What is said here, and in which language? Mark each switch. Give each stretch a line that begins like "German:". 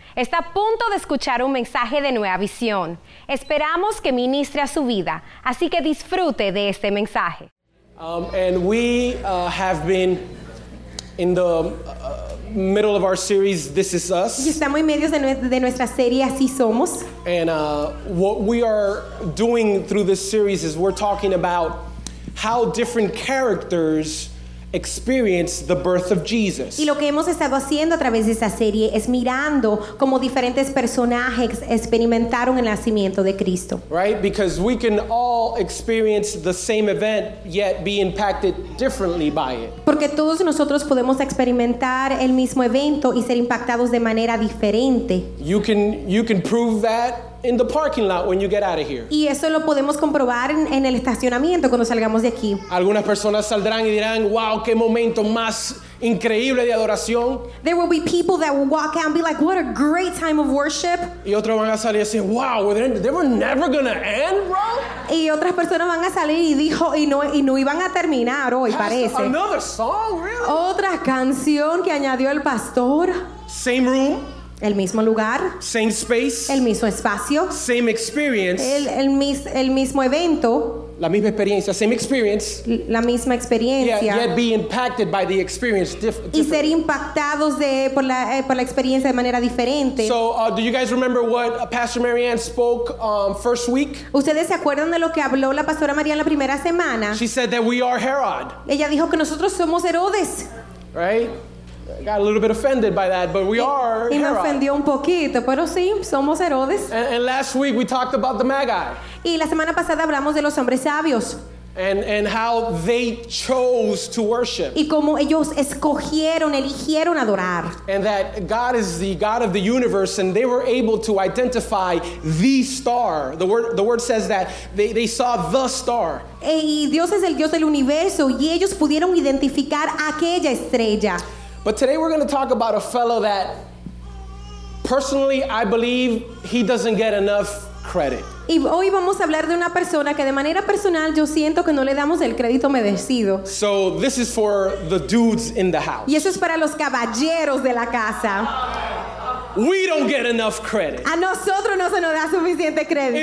Spanish: Está a punto de escuchar un mensaje de Nueva Visión. Esperamos que ministre a su vida. Así que disfrute de este mensaje.
English: And we have been in the middle of our series, This Is Us.
Spanish: Y estamos en medio de nuestra serie, Así Somos.
English: And what we are doing through this series is we're talking about how different characters experience the birth of Jesus.
Spanish: Y lo que hemos estado haciendo a través de esta serie es mirando cómo diferentes personajes experimentaron el nacimiento de Cristo.
English: Right? Because we can all experience the same event yet be impacted differently by it.
Spanish: Porque todos nosotros podemos experimentar el mismo evento y ser impactados de manera diferente.
English: You can prove that in the parking lot when you get out of here.
Spanish: Y eso lo podemos comprobar en el estacionamiento cuando salgamos de aquí. Algunas personas saldrán y dirán, wow, qué momento más increíble de adoración.
English: There will be people that will walk out and be like, what a great time of worship.
Spanish: Y otros van a salir y decir, wow,
English: they were never gonna end, bro.
Spanish: Y otras personas van a salir y dijo, y no iban a terminar hoy, parece.
English: Another song, really?
Spanish: Otra canción que añadió el pastor.
English: Same room.
Spanish: El mismo lugar.
English: Same space.
Spanish: El mismo espacio.
English: Same experience.
Spanish: El mismo evento. La misma experiencia.
English: Same experience.
Spanish: La misma experiencia.
English: Yet be impacted by the experience differently.
Spanish: Y ser impactados por la experiencia de manera diferente.
English: So, do you guys remember what Pastor Marianne spoke first week?
Spanish: ¿Ustedes se acuerdan de lo que habló la pastora Marianne la primera semana?
English: She said that we are Herod.
Spanish: Ella dijo que nosotros somos Herodes.
English: Right? Got a little bit offended by that, but we are Herod.
Spanish: Y me ofendió un poquito, pero sí, somos Herodes.
English: And last week we talked about the Magi.
Spanish: Y la semana pasada hablamos de los hombres sabios.
English: And how they chose to worship.
Spanish: Y cómo ellos escogieron, eligieron adorar.
English: And that God is the God of the universe, and they were able to identify the star. The word says that they saw the star.
Spanish: Y Dios es el Dios del universo, y ellos pudieron identificar aquella estrella.
English: But today we're going to talk about a fellow that, personally, I believe he doesn't get enough credit.
Spanish: Y hoy vamos a hablar de una persona que de manera personal yo siento que no le damos el crédito merecido.
English: So this is for the dudes in the house.
Spanish: Y eso es para los caballeros de la casa.
English: We don't get enough credit.
Spanish: A nosotros no se nos da suficiente crédito.